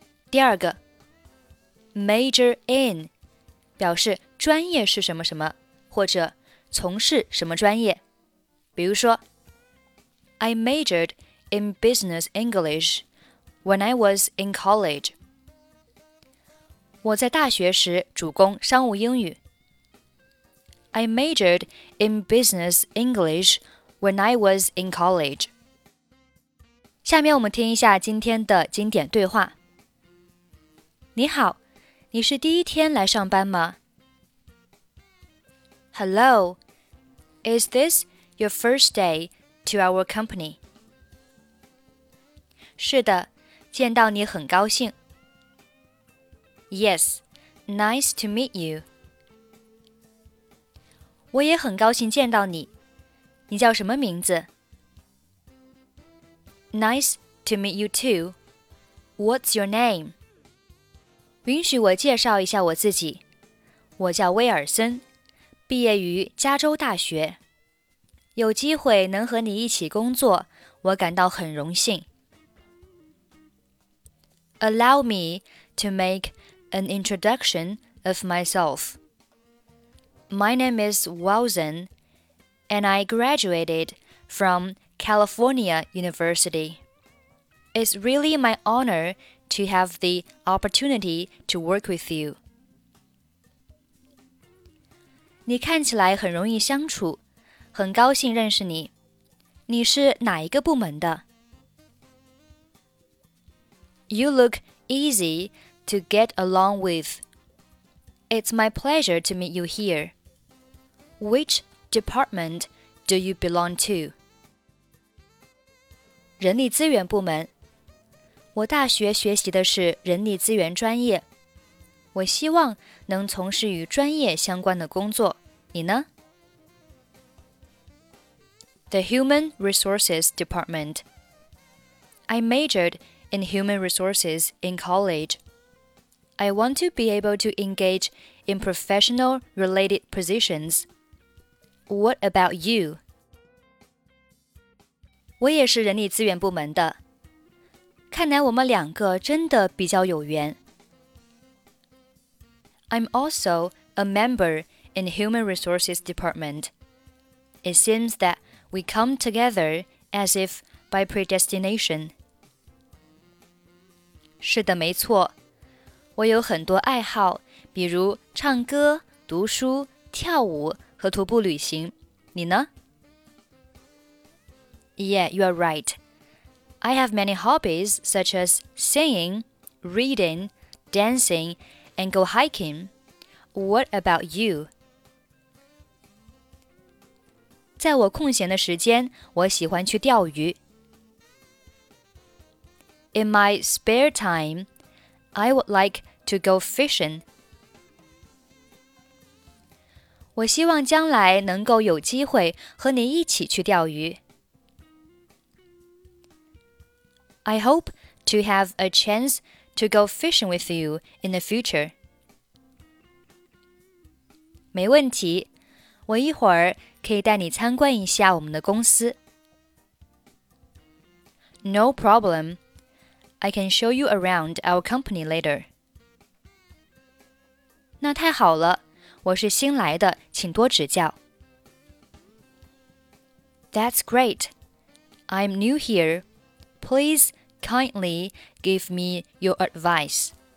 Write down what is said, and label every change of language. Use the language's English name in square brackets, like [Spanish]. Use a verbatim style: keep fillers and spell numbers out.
[Chinese] 第二个 Major in表示专业是什么什么，或者从事什么专业。比如说 [English] I majored in business English when I was in college. [Chinese] 我在大学时主攻商务英语。 [English] I majored in business English when I was in college. [Chinese] 下面我们听一下今天的经典对话。你好，你是第一天来上班吗？ [English] Hello, is this your first day to our company? [Chinese] 是的，见到你很高兴。 [English] Yes, nice to meet you. [Chinese] 我也很高兴见到你。你叫什么名字？ [English] Nice to meet you too. What's your name? [Chinese] 允许我介绍一下我自己，我叫威尔森，毕业于加州大学。有机会能和你一起工作，我感到很荣幸。 [English] Allow me to make an introduction of myself. My name is Wilson, and I graduated from California University. It's really my honor to have the opportunity to work with you. [Chinese] 你看起来很容易相处，很高兴认识你。你是哪一个部门的？ [English] You look easy to get along with. It's my pleasure to meet you here. Which department do you belong to? [Chinese] 人力资源部门。我大学学习的是人力资源专业，我希望能从事与专业相关的工作。你呢？ [English] The Human Resources Department. I majored in Human Resources in college. I want to be able to engage in professional related positions. What about you? [Chinese] 我也是人力资源部门的。看来我们两个真的比较有缘。 [English] I'm also a member in Human Resources Department. It seems that we come together as if by predestination. [Chinese] 是的，没错。我有很多爱好，比如唱歌、读书、跳舞和徒步旅行。你呢？ [English] Yeah, you are right. I have many hobbies such as singing, reading, dancing, and go hiking. What about you? [Chinese] 在我空闲的时间，我喜欢去钓鱼。 [English] In my spare time, I would like to go fishing. [Chinese] 我希望将来能够有机会和你一起去钓鱼。 [English] I hope to have a chance to go fishing with you in the future. [Chinese] 没问题，我一会儿可以带你参观一下我们的公司。 [English] No problem. I can show you around our company later. [Chinese] 那太好了，我是新来的，请多指教。 [English] That's great. I'm new here. Please kindly give me your advice.